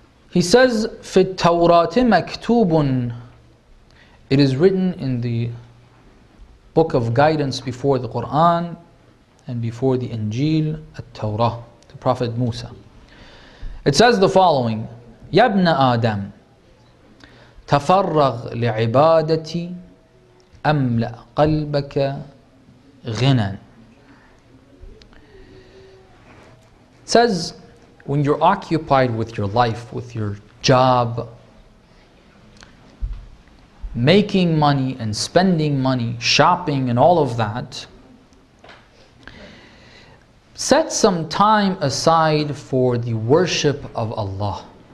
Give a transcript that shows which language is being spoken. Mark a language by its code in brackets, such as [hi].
[en] He says, [ar] "في التوراة مكتوب." [en] It is written in the book of guidance before the Quran and before the Injil, at-Tawrah, the Prophet Musa. It says the following: [ar] "يبنى آدم تفرغ لعبادتي أملأ قلبك غنا." [en] It says, when you're occupied with your life, with your job, making money and spending money, shopping and all of that, set some time aside for the worship of Allah.